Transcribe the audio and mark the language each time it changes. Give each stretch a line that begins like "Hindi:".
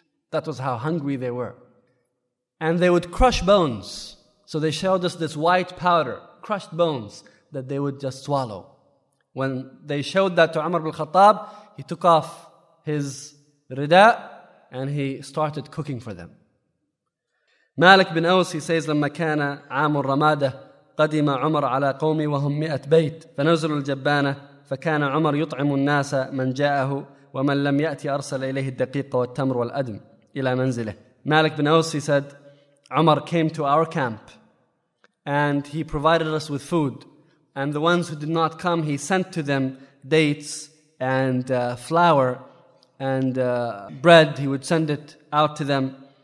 English: That was how hungry they were. And they would crush bones. So they showed us this white powder, crushed bones, that they would just swallow. When they showed that to Umar al-Khattab, he took off his rida and he started cooking for them.
Arabic: Malik bin Aws,
English: he says,
Arabic: "لما كان عام الرمادة قدم عمر على قومي وهم مئة بيت فنزلوا الجبانة فكان عمر يطعم الناس من جاءه ومن لم يأتي أرسل إليه الدقيق والتمر والأدم إلى منزله."
English: Malik bin Aws, he said, "Umar came to our camp and he provided us with food. And the ones who did not come, he sent to them dates and flour and bread. He would send it out to them.